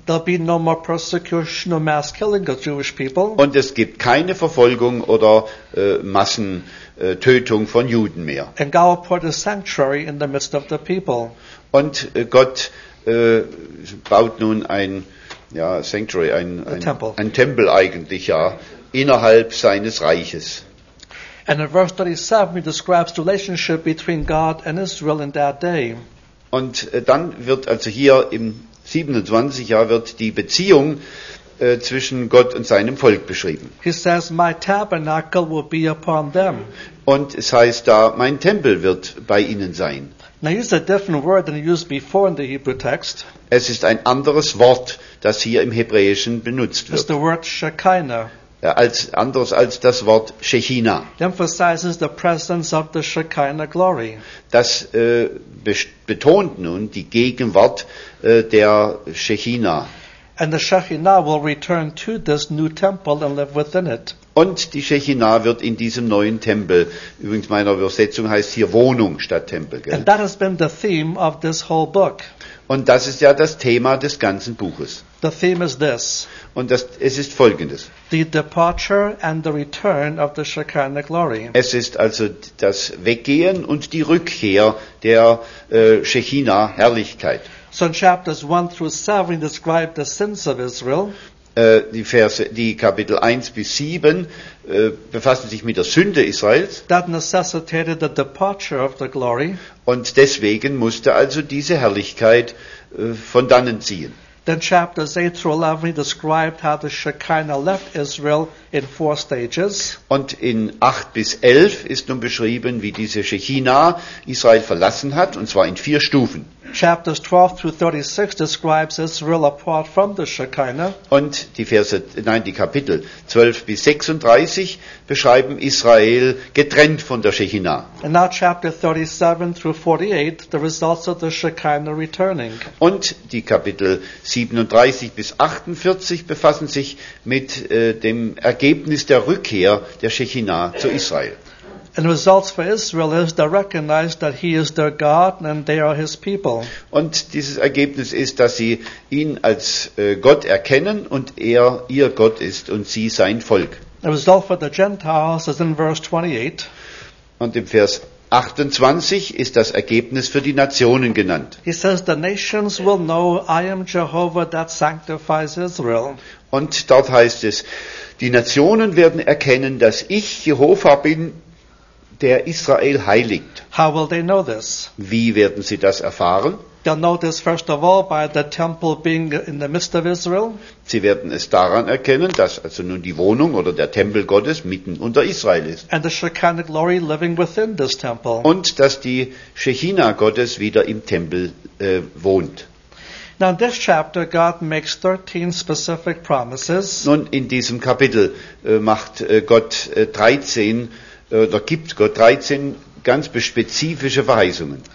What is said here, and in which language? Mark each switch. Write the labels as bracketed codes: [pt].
[en] There'll be no more persecution or mass killing of Jewish people. [de] Und es gibt keine Verfolgung oder Massentötung von Juden mehr. [en] And God will put a sanctuary in the midst of the people. [de] Und Gott baut nun ein Sanctuary, ein Tempel eigentlich ja innerhalb seines Reiches. [en] And in verse 37 he describes the relationship between God and Israel in that day. [de] Und dann wird also hier im 27. Jahr wird die Beziehung zwischen Gott und seinem Volk beschrieben. [en] He says, my tabernacle will be upon them. [de] Und es heißt da, mein Tempel wird bei ihnen sein. [en] Now use a different word than used before in the Hebrew text. [de] Es ist ein anderes Wort, das hier im Hebräischen benutzt wird. [en] It's the word Shekinah. [de] Ja, als anderes als das Wort Shekinah. [en] It emphasizes the presence of the Shekinah glory. [de] Das betont nun die Gegenwart der Shekinah. [en] And the Shekinah will return to this new temple and live within it. [de] Und die Shekinah wird in diesem neuen Tempel, übrigens meiner Übersetzung heißt hier Wohnung statt Tempel, gell? [en] And that has been the theme of this whole book. [de] Und das ist ja das Thema des ganzen Buches. [en] The theme is this. [de] Und das, es ist folgendes. [en] The departure and the return of the Shekinah glory. [de] Es ist also das Weggehen und die Rückkehr der Shekinah Herrlichkeit. [en] So in chapters 1 through 7 describe the sins of Israel. [de] Die Kapitel 1 bis 7 befassen sich mit der Sünde Israels. [en] That necessitated the departure of the glory. [de] Und deswegen musste also diese Herrlichkeit von dannen ziehen. [en] Then chapters 8 through 11 described how the Shekinah left Israel in four stages. [de] Und in 8 bis 11 ist nun beschrieben, wie diese Shekinah Israel verlassen hat, und zwar in vier Stufen. [en] chapters 12 through 36 describes Israel apart from the Shekinah. [de] Und die Kapitel 12 bis 36 beschreiben Israel getrennt von der Shekinah. [en] And now chapter 37 through 48, the results of the Shekinah returning. [de] Und die Kapitel 37 bis 48 befassen sich mit dem Ergebnis der Rückkehr der Shekinah zu Israel. [en] And the results for Israel is they recognize that he is their God and they are his people. [de] Und dieses Ergebnis ist, dass sie ihn als Gott erkennen und er ihr Gott ist und sie sein Volk. [en] The result for the Gentiles is in verse 28. [de] Und im Vers 28 ist das Ergebnis für die Nationen genannt. [en] He says the nations will know I am Jehovah that sanctifies Israel. [de] Und dort heißt es, die Nationen werden erkennen, dass ich Jehovah bin, der Israel heiligt. [en] How will they know this? [de] Wie werden sie das erfahren? [en] They'll know this first of all by the temple being in the midst of Israel. [de] Sie werden es daran erkennen, dass also nun die Wohnung oder der Tempel Gottes mitten unter Israel ist. [en] And the Shekinah glory living within this temple. [de] Und dass die Shekinah Gottes wieder im Tempel wohnt. [en] Now in this chapter God makes 13 specific promises. [de] Nun in diesem Kapitel macht Gott 13 da gibt Gott 13 ganz spezifische Verheißungen.